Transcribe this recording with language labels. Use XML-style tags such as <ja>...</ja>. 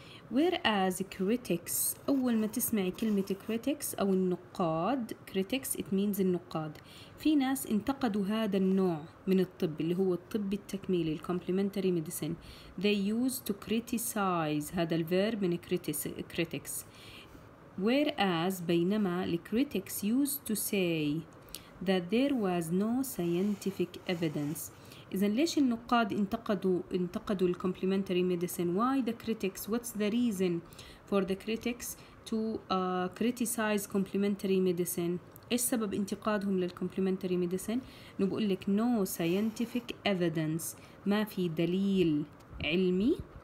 <en>Whereas critics،</en> <ar>أول ما تسمعي كلمة critics أو النقاد،</ar> <en>critics it means</en> <ar>النقاد، في ناس انتقدوا هذا النوع من الطب اللي هو الطب التكميلي complementary medicine.</ar> <en>They used to criticize،</en> <ar>هذا الverb من</ar> <en>critics. Whereas</en> <ar>بينما</ar> <en>the critics used to say that there was no scientific evidence.</en> <ar>إذن ليش النقاد انتقدوا الكومبليمنتري ميديسين؟</ar> <en>Why the critics؟ What's the reason for the critics to criticize complementary medicine؟</en> <ar>إيش سبب انتقادهم للكومبليمنتري ميديسين؟ نقول لك</ar> <en>no scientific evidence،</en> <ar>ما في دليل علمي</ar>